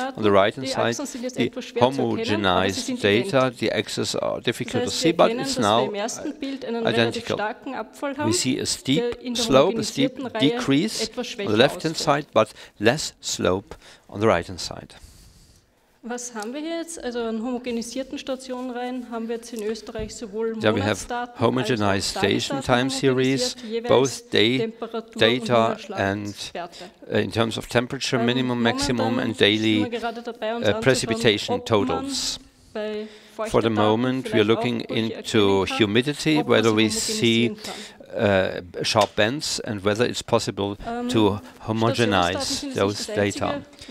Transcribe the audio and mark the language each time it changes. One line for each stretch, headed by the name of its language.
English: On the right hand side the homogenized data. The axes are difficult to see, but it's now identical. We see a steep slope, a steep decrease on the left hand side, but less slope on the right hand side.
German: Was haben wir jetzt? Also an homogenisierten Stationenreihen haben wir jetzt in Österreich sowohl Monatsdaten
English: we have homogenized station time series, both day data and in terms of temperature minimum, maximum and daily precipitation totals. For the moment we are looking into humidity, whether we see sharp bends and whether it's possible to homogenize those data.